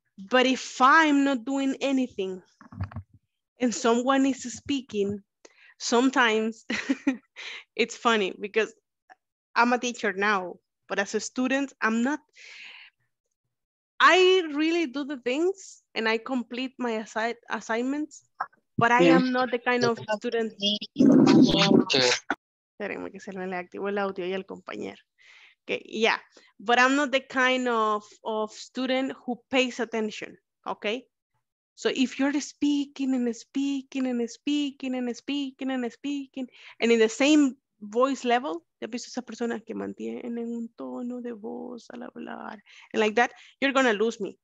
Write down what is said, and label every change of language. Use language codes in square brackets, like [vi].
[en] But if I'm not doing anything and someone is speaking, sometimes it's funny because I'm a teacher now, but as a student, I'm not. I really do the things and I complete my assignments, but I am not the kind of student. [es] Espérenme que se me le activó el audio y el compañero. [en] Okay, yeah, but I'm not the kind of student who pays attention, okay? So if you're speaking and speaking and speaking and speaking and speaking and in the same voice level, [es] ya viste esa persona que mantiene un tono de voz al hablar [en] and like that, you're gonna lose me.